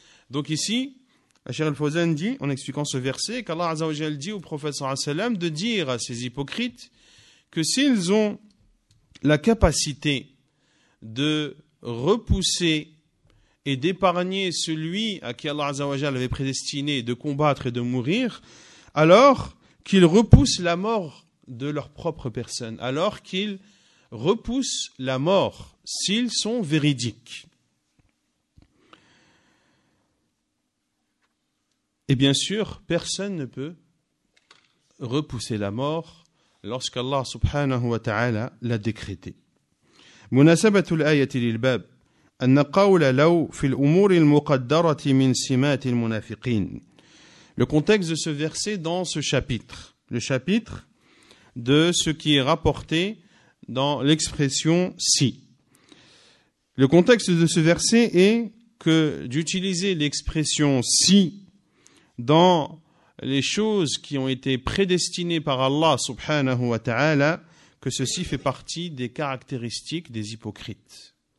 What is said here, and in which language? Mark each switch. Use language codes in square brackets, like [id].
[fr] Donc ici, Cheikh Al-Fawzan dit, en expliquant ce verset, qu'Allah Azza wa Jal dit au prophète sallallahu alayhi wa sallam de dire à ces hypocrites que s'ils ont la capacité de repousser et d'épargner celui à qui Allah Azza wa Jal avait prédestiné de combattre et de mourir, alors qu'ils repoussent la mort de leur propre personne, alors qu'ils repousse la mort s'ils sont véridiques. Et bien sûr, personne ne peut repousser la mort lorsqu'Allah subhanahu wa ta'ala l'a décrété. [ar] مناسبة الآية للباب أن قول لو في الأمور المقدرة من سمات المنافقين. [fr] Le contexte de ce verset dans ce chapitre, le chapitre de ce qui est rapporté dans l'expression « si ». Le contexte de ce verset est que d'utiliser l'expression « si » dans les choses qui ont été prédestinées par Allah subhanahu wa ta'ala, que ceci fait partie des caractéristiques des hypocrites.